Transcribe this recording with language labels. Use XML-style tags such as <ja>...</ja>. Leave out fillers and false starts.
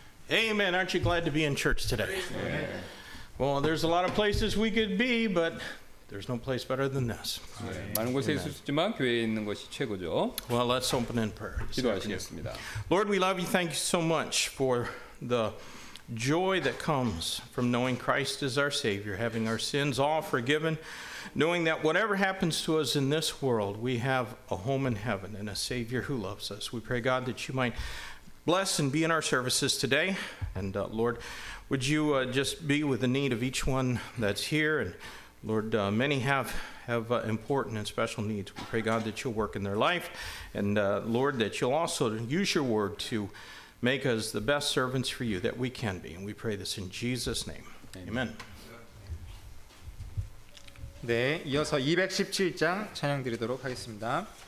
<en>Aren't you glad to be in church today? Amen. Well, there's a lot of places we could be, but there's no place better than this.</en> <ko>많은 곳에 있을 수 있지만 교회에 있는 것이 최고죠.</ko> <en>Well, let's open in prayer.</en> <ko>기도하시겠습니다.</ko> <en>Lord, we love you. Thank you so much for the joy that comes from knowing Christ as our Savior, having our sins all forgiven, knowing that whatever happens to us in this world, we have a home in heaven and a Savior who loves us. We pray, God, that you might bless and be in our services today. And Lord, would you just be with the need of each one that's here? And Lord, many have important and special needs. We pray, God, that you'll work in their life. And Lord, that you'll also use your word to make us the best servants for you that we can be. And we pray this in Jesus' name. Amen.</en> <ko>네, 이어서 217장 찬양드리도록 하겠습니다.</ko>